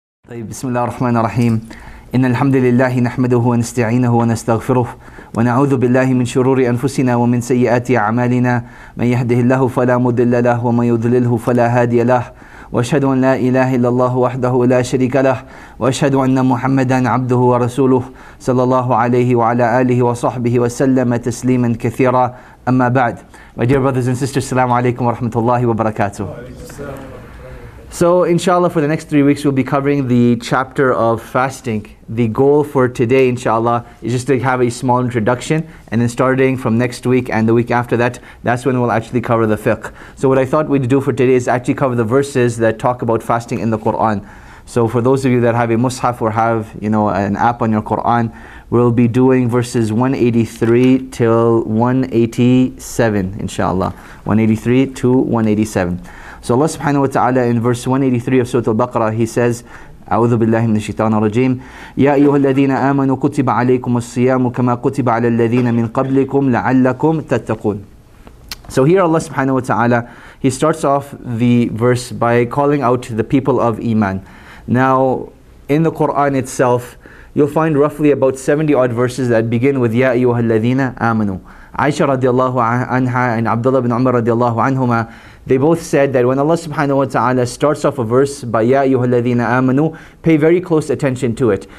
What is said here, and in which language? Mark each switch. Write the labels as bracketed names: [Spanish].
[Arabic] بسم الله الرحمن الرحيم إن الحمد لله نحمده ونستعينه ونستغفره ونعوذ بالله من شرور أنفسنا ومن سيئات أعمالنا من يهده الله فلا مضل له ومن يضلله فلا هادي له وأشهد أن لا إله إلا الله وحده لا شريك له وأشهد أن محمدا عبده ورسوله صلى الله عليه وعلى آله وصحبه وسلم تسليما كثيرا أما بعد. [English] My dear brothers and sisters, [Arabic] السلام عليكم ورحمة الله وبركاته. [English] So inshallah, for the next 3 weeks, we'll be covering the chapter of fasting. The goal for today, inshallah, is just to have a small introduction. And then starting from next week and the week after that, that's when we'll actually cover the fiqh. So what I thought we'd do for today is actually cover the verses that talk about fasting in the Quran. So for those of you that have a mushaf or have, you know, an app on your Quran, we'll be doing verses 183 till 187, inshallah. 183 to 187. So Allah subhanahu wa ta'ala in verse 183 of Surah Al-Baqarah, He says, [Arabic] أعوذ بالله من الشيطان الرجيم يا أيها الذين آمنوا كتب عليكم الصيام كما كتب على الذين من قبلكم لعلكم تتقون. [English] So here Allah subhanahu wa ta'ala, He starts off the verse by calling out the people of Iman. Now, in the Quran itself, you'll find roughly about 70 odd verses that begin with [Arabic] يا أيها الذين آمنوا. [English] Aisha radiallahu anha and Abdullah ibn Umar radiallahu anhuma, they both said that when Allah subhanahu wa ta'ala starts off a verse by Ya ayyuha alladhina amanu, pay very close attention to it.